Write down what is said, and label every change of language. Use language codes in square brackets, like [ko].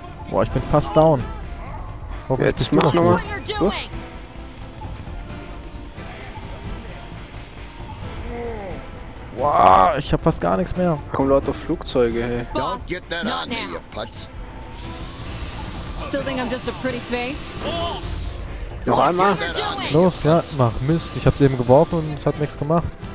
[de] Boah, ich bin fast down. Hoffe, jetzt ich mach nochmal. Wow, ich hab fast gar nichts mehr. Komm, Leute, Flugzeuge, hey. [en] Don't get that not on me, you putz. Still think I'm just a pretty face? [de] Noch einmal? Los, ja, mach Mist. Ich hab's eben geworfen und es hat nichts gemacht.